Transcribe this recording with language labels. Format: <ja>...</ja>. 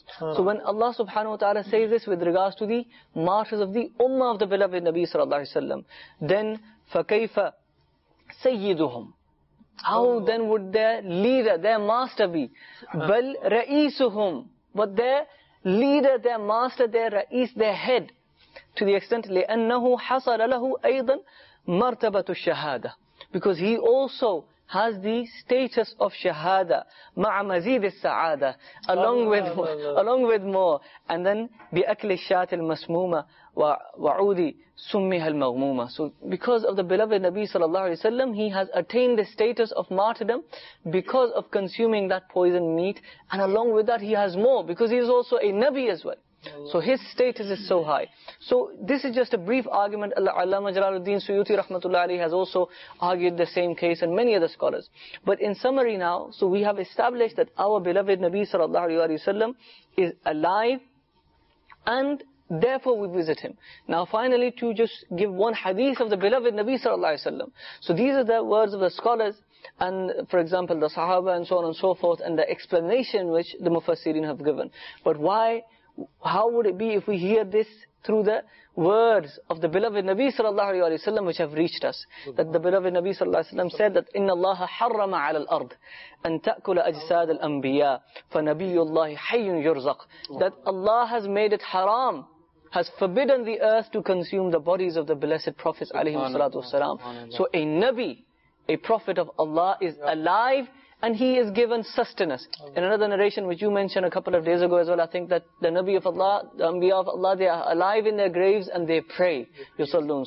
<en>So when Allah subhanahu wa ta'ala says this with regards to the martyrs of the ummah of the beloved Nabi sallallahu alaihi wasallam, then</en> <ar>فكيف سيدهم.</ar> <en>How then would their leader, their master be?</en> <ar>بَلْ رَئِيسُهُمْ.</ar> <en>But their leader, their master, their ra'is, their head. To the extent,</en> <ar>لِأَنَّهُ حَصَلَ لَهُ أَيْضًا مَرْتَبَةُ الشَّهَادَةِ.</ar> <en>Because he also has the status of shahada,</en> <ar>مَعَ مَزِيدِ السَّعَادَةِ,</ar> <en>along with more. And then,</en> <ar>بِأَكْلِ الشَّاتِ الْمَسْمُومَةِ وَعُودِ سُمِّهَا الْمَغْمُومَةِ.</ar> <en>So, because of the beloved Nabi sallallahu alayhi wa sallam, he has attained the status of martyrdom because of consuming that poisoned meat. And along with that, he has more because he is also a Nabi as well. So his status is so high. So this is just a brief argument. Allama Jalaluddin Suyuti rahmatullah alayhi has also argued the same case, and many other scholars. But in summary now, so we have established that our beloved Nabi sallallahu alayhi wa sallam is alive, and therefore we visit him. Now finally, to just give one hadith of the beloved Nabi sallallahu alayhi wa sallam. So these are the words of the scholars, and for example the Sahaba and so on and so forth, and the explanation which the Mufassirin have given. But why? How would it be if we hear this through the words of the beloved Nabi sallallahu alayhi wa sallam, which have reached us? That the beloved Nabi sallallahu alayhi wa sallam said that</en> <ar>إِنَّ اللَّهَ حَرَّمَ عَلَى الْأَرْضِ أَن تَأْكُلَ أَجْسَادَ الْأَنْبِيَاءِ فَنَبِيُّ اللَّهِ حَيٌّ يُرْزَقِ.</ar> <en>That Allah has made it haram, has forbidden the earth to consume the bodies of the blessed prophets alayhim salatu wasalam. So a Nabi, a prophet of Allah, is alive, and he is given sustenance. In another narration which you mentioned a couple of days ago as well, I think that the Nabi of Allah, the Anbiya of Allah, they are alive in their graves and they pray. Yusallun.</en>